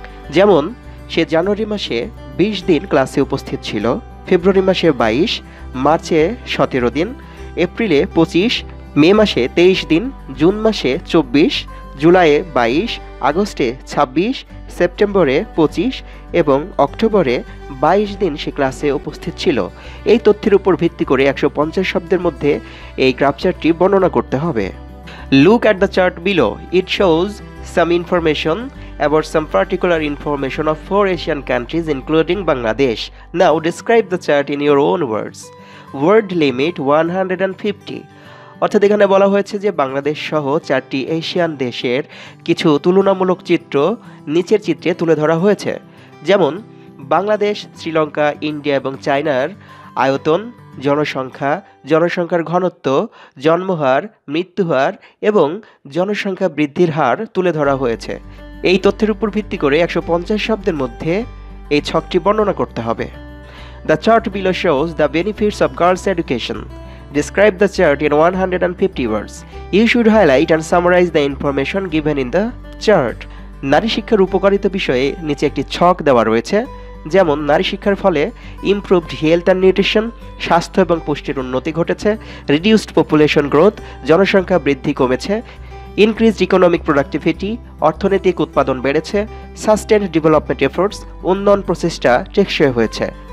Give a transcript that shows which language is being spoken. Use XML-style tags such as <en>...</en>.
<bn>যেমন সে জানুয়ারি মাসে 20 দিন ক্লাসে উপস্থিত ছিল, ফেব্রুয়ারি মাসে 22, মার্চে 17 দিন, এপ্রিলে 25, মে মাসে 23 দিন, জুন মাসে 24, জুলাইয়ে 22, আগস্টে 26, সেপ্টেম্বরে 25 এবং অক্টোবরে 22 দিন সে ক্লাসে উপস্থিত ছিল। এই তথ্যের উপর ভিত্তি করে 150 শব্দের মধ্যে এই গ্রাফচারটি বর্ণনা করতে হবে।</bn> <en>Look at the chart below. It shows some information about some particular information of four Asian countries including Bangladesh. Now describe the chart in your own words. Word limit 150.</en> <bn>অর্থাৎ এখানে বলা হয়েছে যে বাংলাদেশ সহ চারটি এশিয়ান দেশের কিছু তুলনামূলক চিত্র নিচের চিত্রে তুলে ধরা হয়েছে। যেমন বাংলাদেশ, শ্রীলঙ্কা, ইন্ডিয়া এবং চায়নার আয়তন, জনসংখ্যা, জনসংখ্যার ঘনত্ব, জন্মহার, মৃত্যুহার এবং জনসংখ্যা বৃদ্ধির হার তুলে ধরা হয়েছে। এই তথ্যের উপর ভিত্তি করে 150 শব্দের মধ্যে এই ছকটি বর্ণনা করতে হবে।</bn> <en>The chart below shows the benefits of girls education. Describe the chart in 150 words. You should highlight and summarize the information given in the chart.</en> <bn>নারী শিক্ষার উপকারিতা বিষয়ে নিচে একটি ছক দেওয়া রয়েছে, যেমন নারী শিক্ষার ফলে</bn> <en>improved health and nutrition,</en> <bn>স্বাস্থ্য এবং পুষ্টির উন্নতি ঘটেছে,</bn> <en>reduced population growth,</en> <bn>জনসংখ্যা বৃদ্ধি কমেছে,</bn> <en>increased economic productivity,</en> <bn>অর্থনৈতিক উৎপাদন বেড়েছে,</bn> <en>sustained development efforts,</en> <bn>উন্নয়ন প্রচেষ্টা টেকসই হয়েছে।</bn>